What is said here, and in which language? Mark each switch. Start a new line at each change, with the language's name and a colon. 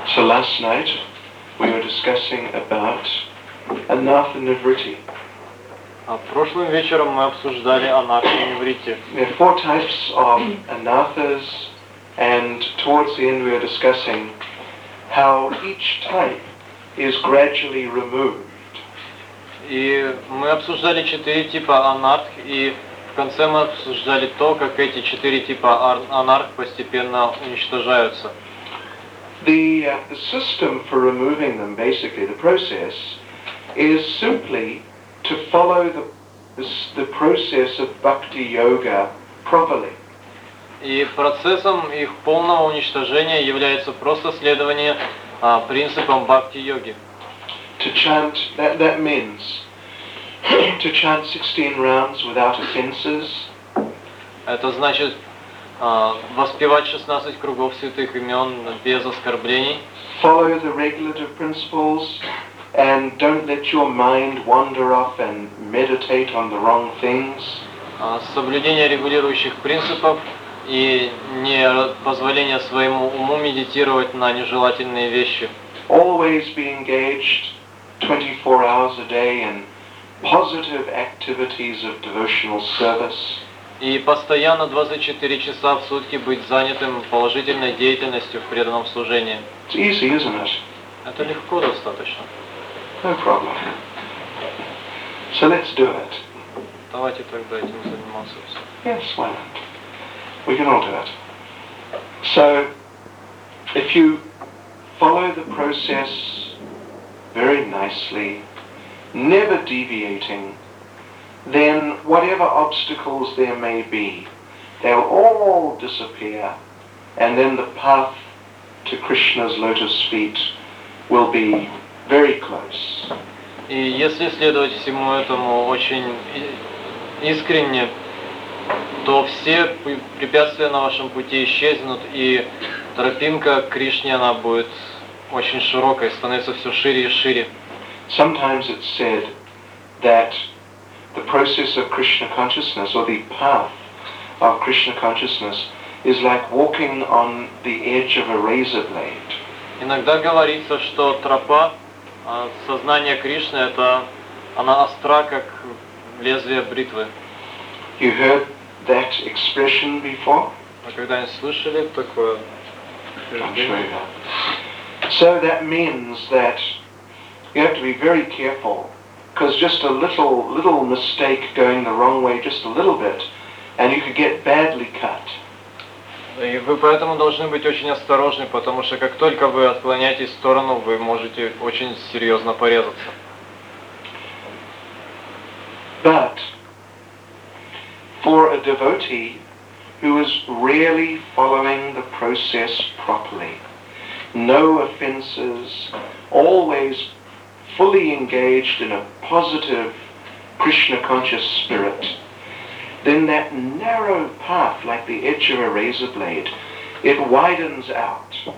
English: So last night, we were discussing about anatha nivritti.
Russian: А прошлым вечером мы обсуждали анатхи нивритти.
English: There are four types of anathas, and towards the end we are discussing how each type is gradually removed.
Russian: И мы обсуждали четыре типа анатх, и в конце мы обсуждали то, как эти четыре типа анатх постепенно уничтожаются.
English: The system for removing them, basically the process, is simply to follow the process of bhakti yoga properly.
Russian: И процессом их полного уничтожения является просто следование принципам бхакти йоги.
English: To chant that means to chant 16 rounds without offenses.
Russian: Это значит воспевать 16 кругов святых имен без оскорблений.
English: Follow the regulative principles. And don't let your mind wander off and meditate on the wrong things.
Russian: Соблюдение регулирующих принципов и не позволение своему уму медитировать на нежелательные вещи.
English: Always be engaged 24 hours a day in positive activities of devotional service.
Russian: И постоянно 24 часа в сутки быть занятым положительной деятельностью в преданном служении.
English: It's easy, isn't it?
Russian: Это легко достаточно.
English: No problem. So let's do it.
Russian: Давайте тогда этим заниматься.
English: Yes, why not? We can all do it. So, if you follow the process very nicely, never deviating, then whatever obstacles there may be, they'll all disappear, and then the path to Krishna's lotus feet will be very close.
Russian: И если следовать всему этому очень искренне, то все препятствия на вашем пути исчезнут, и тропинка к Кришне, она будет очень широкой, становится все шире и шире.
English: Sometimes it's said that the process of Krishna consciousness, or the path of Krishna consciousness, is like walking on the edge of a razor blade.
Russian: Иногда говорится, что тропа сознание Кришны – это она остра, как лезвие бритвы.
English: You heard that expression before?
Russian: Вы когда-нибудь слышали такое?
English: So that means that you have to be very careful, because just a little mistake going the wrong way, just a little bit, and you could get badly cut.
Russian: И вы поэтому должны быть очень осторожны, потому что как только вы отклоняетесь в сторону, вы можете очень серьезно порезаться.
English: But for a devotee who is really following the process properly, no offenses, always fully engaged in a positive Krishna conscious spirit, then that narrow path, like the edge of a razor blade, it widens out.